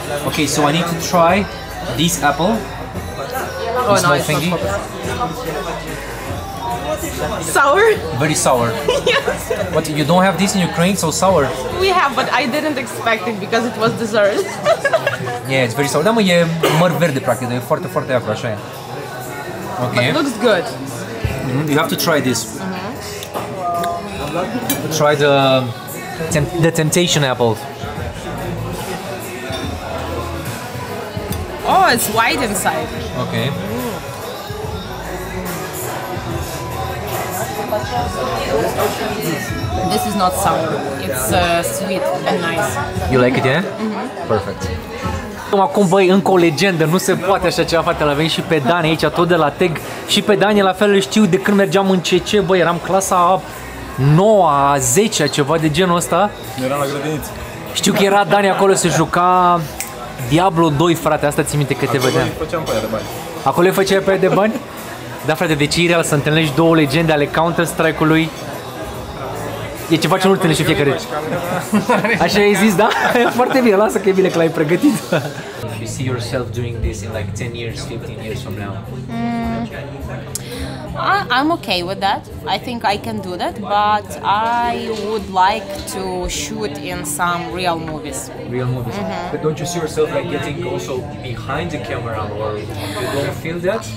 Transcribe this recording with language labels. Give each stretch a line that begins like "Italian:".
English: Okay, so I need to try this apple. Oh, this no, my thingy. Sour? Very sour. Yes. But you don't have this in Ukraine, so sour. We have, but I didn't expect it because it was dessert. Yeah, it's very sour.
Romanian: Da, mă, e măr verde, practic. E foarte, foarte acru, așa e.
English: Okay. But it looks good. Mm-hmm. You have to try this. Try the temptation apple. Oh, it's white inside. Okay. This is not sour. It's sweet and nice. You like it, yeah? Mm-hmm. Perfect.
Romanian: Acum, băi, încă o legendă, nu se poate așa ceva, fratele, avem și pe Dani aici, tot de la Teg. Și pe Dani, la fel, știu de când mergeam în CC, băi, eram clasa 9, 10, ceva de genul ăsta. Eram la grădiniță. Știu că era Dani acolo, se juca Diablo 2, frate, asta ții minte că te vedeam. Acolo îi făceam pe aia de bani. Acolo îi făceai pe aia de bani? Da, frate, deci e real să întâlnești două legende ale Counter-Strike-ului. E ceva ce nu întâlnești în fiecare. Așa ai zis, da? E foarte bine, lasă că e bine că l-ai pregătit.
English: You see yourself doing this in like 10 years, 15 years from now? I'm okay with that. I think I can do that, but I would like to shoot in some real movies. Real movies. Mm-hmm. But don't you see yourself like getting also behind the camera, or you don't feel that?